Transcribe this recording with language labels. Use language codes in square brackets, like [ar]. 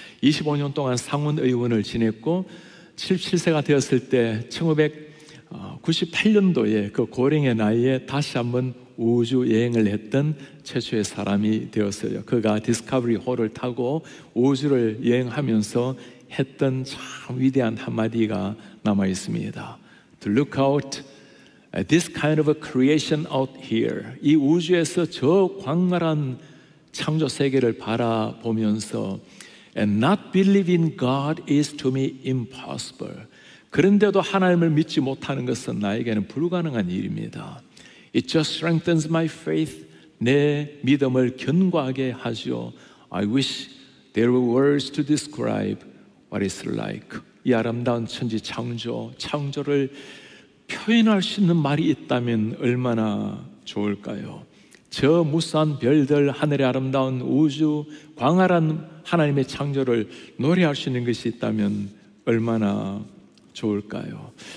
[ko] 25년 동안 상원의원을 지냈고 77세가 되었을 때 1998년도에 그 고령의 나이에 다시 한번 우주 여행을 했던 최초의 사람이 되었어요. 그가 디스커버리 호를 타고 우주를 여행하면서 했던 참 위대한 한마디가 남아있습니다. [en] To look out at this kind of a creation out here. [ko] 이 우주에서 저 광활한 창조 세계를 바라보면서 [en] And not believing God is to me impossible. [ko] 그런데도 하나님을 믿지 못하는 것은 나에게는 불가능한 일입니다. [en] It just strengthens my faith. [ko] 내 믿음을 견고하게 하죠. [en] I wish there were words to describe what it's like. [ko] 이 아름다운 천지 창조, 창조를 표현할 수 있는 말이 있다면 얼마나 좋을까요? 저 무수한 별들, 하늘의 아름다운 우주, 광활한 하나님의 창조를 노래할 수 있는 것이 있다면 얼마나 좋을까요?